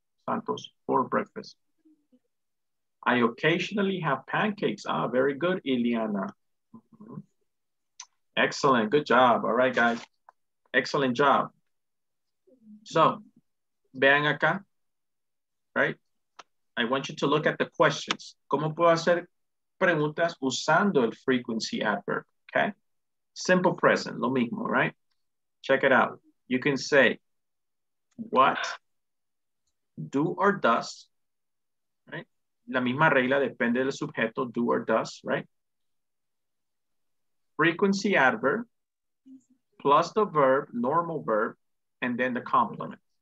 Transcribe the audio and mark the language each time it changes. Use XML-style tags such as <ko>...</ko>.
<en>Santos, for breakfast. I occasionally have pancakes. Ah, very good, Ileana. Excellent, good job. All right, guys. Excellent job.</en> <es>So, vean acá, right?</es> <en>I want you to look at the questions.</en> <es>¿Cómo puedo hacer preguntas usando el frequency adverb?</es> <en>Okay? Simple present,</en> <es>lo mismo,</es> <en>right? Check it out. You can say, what, do or does, right?</en> <es>La misma regla depende del sujeto, do or does, right?</es> <en>Frequency adverb plus the verb, normal verb, and then the complement.</en>